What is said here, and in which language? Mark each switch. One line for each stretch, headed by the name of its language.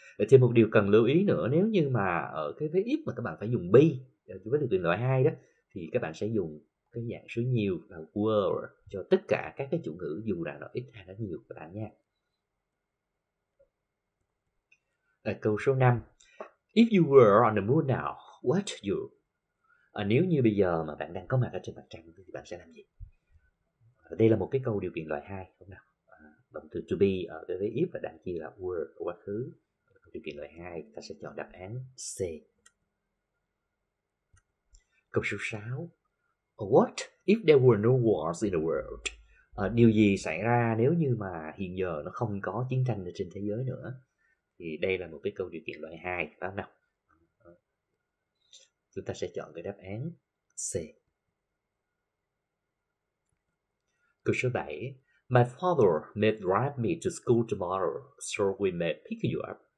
Vietnamese: Thêm một điều cần lưu ý nữa, nếu như mà ở cái vế if mà các bạn phải dùng be với điều kiện loại 2 đó, thì các bạn sẽ dùng cái dạng số nhiều là were cho tất cả các cái chủ ngữ dù là nó ít hay nó nhiều các bạn nha. Câu số 5.
English: If you were on the moon now, what you?
Vietnamese: Nếu như bây giờ mà bạn đang có mặt ở trên mặt trăng thì bạn sẽ làm gì? Đây là một cái câu điều kiện loại 2, đúng không nào? Động từ to be ở với if và đặt chi là were, quá khứ. Điều kiện loại 2, ta sẽ chọn đáp án C. Câu số 6.
English: What if there were no wars in the world?
Vietnamese: Điều gì xảy ra nếu như mà hiện giờ nó không có chiến tranh ở trên thế giới nữa? Thì đây là một cái câu điều kiện loại 2, phải không nào? Chúng ta sẽ chọn cái đáp án C. Câu số 7.
English: My father may drive me to school tomorrow, so we may pick you up.